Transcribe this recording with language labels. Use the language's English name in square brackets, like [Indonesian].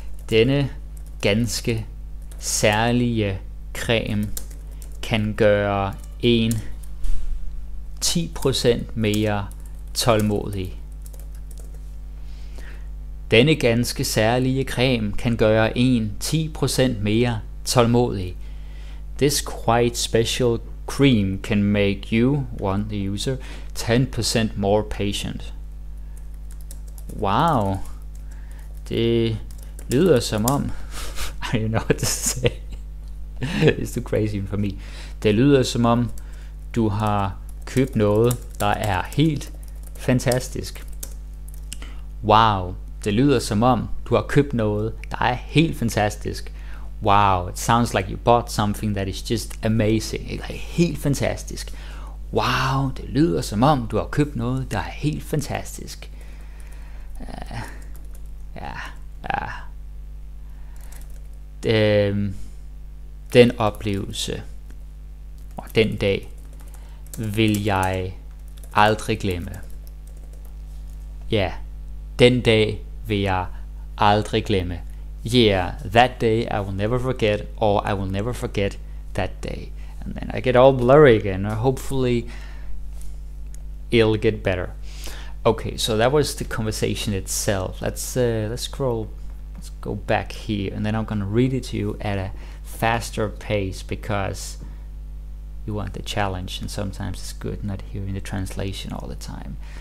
[Danish] Denne ganske særlige creme kan gøre en 10% mere tålmodig. Denne ganske særlige creme kan gøre en 10% mere tålmodig. [English] This quite special cream can make you, one the user, 10% more patient. Wow. [Danish] Det lyder som om, [English] I don't know what to say. It's too crazy for me. [Danish] Det lyder som om, du har købt noget, der er helt fantastisk. Wow. Det lyder som om, du har købt noget, der er helt fantastisk. Wow. [English] It sounds like you bought something that is just amazing. [Danish] Det er helt fantastisk. Wow. Det lyder som om, du har købt noget, der er helt fantastisk. Den oplevelse og den dag vil jeg aldrig glemme. Ja, den dag vil jeg aldrig glemme. [English] Yeah, that day I will never forget, or I will never forget that day. And then I get all blurry again, and hopefully it'll get better. Okay, so that was the conversation itself. Let's scroll, let's go back here, and then I'm gonna read it to you at a faster pace, because you want the challenge, and sometimes it's good not hearing the translation all the time.